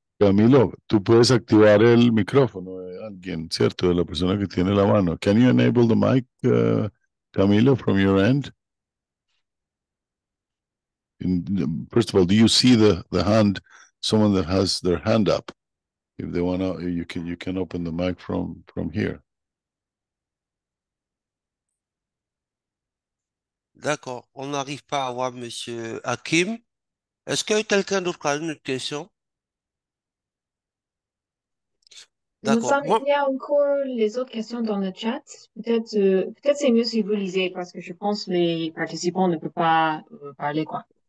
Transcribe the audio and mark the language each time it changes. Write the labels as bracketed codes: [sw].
[es] Camilo, tú puedes activar el micrófono de alguien, ¿cierto? De la persona que tiene la mano. [en] Can you enable the mic, Camilo, from your end? First of all, do you see the hand, someone that has their hand up? If they want to, you can open the mic from here. [fr] D'accord, on n'arrive pas à voir Monsieur Hakim. Est-ce que quelqu'un d'autre a une question? Nous D'accord. sommes, il y a encore les autres questions dans le chat. Peut-être c'est mieux si vous lisez parce que je pense que les participants ne peuvent pas parler, quoi.